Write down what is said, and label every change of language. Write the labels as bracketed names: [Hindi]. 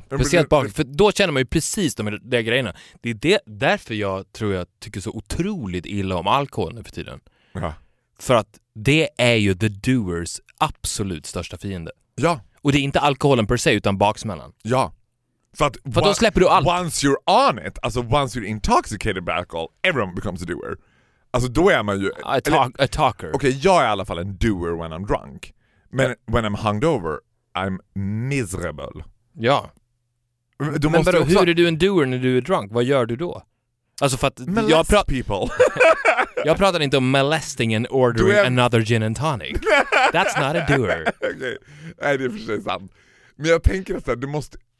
[Swedish] Speciellt bakis, för då känner man ju precis de där grejerna. Det är det, därför jag tror jag tycker så otroligt illa om alkohol nu för tiden. Ja. För att det är ju [English] the doers [Swedish] absolut största fiende. Ja. Och det är inte alkoholen per se, utan baksmällan. Ja. För då släpper du allt. [English] Once you're on it, [Swedish] alltså [English] once you're intoxicated by alcohol, everyone becomes a doer. [Swedish] Alltså då är man ju... [English] a talker. [Swedish] Okej, okay, jag är i alla fall en doer [English] when I'm drunk. [Swedish] Men [English] when I'm hungover, I'm miserable. [Swedish] Ja. Då men bara, hur är du en doer när du är drunk? Vad gör du då? Alltså för att... [English] molest [Swedish] jag [English] people. [Swedish] Jag pratar inte om [English] molesting and ordering another gin and tonic. That's not a doer. [Swedish] Okej, okay. Det är för sig sant. Men jag tänker att du måste...